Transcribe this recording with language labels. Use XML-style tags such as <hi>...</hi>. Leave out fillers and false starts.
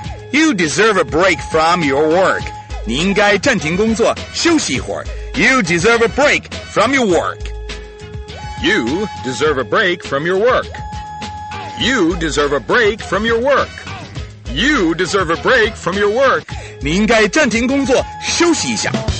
<en>You deserve a break from your work.</en> <zh>你应该暂停工作休息一会儿.</zh> <en>You deserve a break from your work. You deserve a break from your work. You deserve a break from your work. You deserve a break from your work.</en> <zh>你应该暂停工作休息一下。</zh>